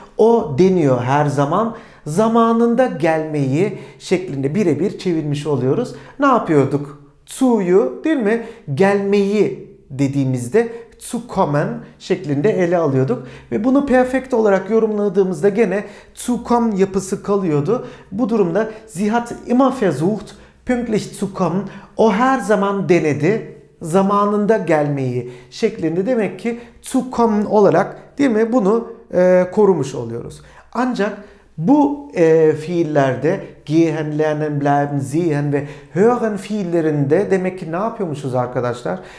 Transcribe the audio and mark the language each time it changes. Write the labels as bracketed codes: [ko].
[tr] O deniyor her zaman. Zamanında gelmeyi şeklinde birebir çevirmiş oluyoruz. Ne yapıyorduk? Zu'yu değil mi? Gelmeyi dediğimizde [de] zu kommen [tr] şeklinde ele alıyorduk. Ve bunu perfect olarak yorumladığımızda gene [de] zu kommen [tr] yapısı kalıyordu. Bu durumda [de] sie hat immer versucht pünktlich zu kommen. [tr] O her zaman denedi zamanında gelmeyi şeklinde. Demek ki [de] zu kommen [tr] olarak değil mi? Bunu korumuş oluyoruz. Ancak bu fiillerde gehen, lernen, bleiben, sehen ve hören fiillerinde demek ki ne yapıyormuşuz arkadaşlar?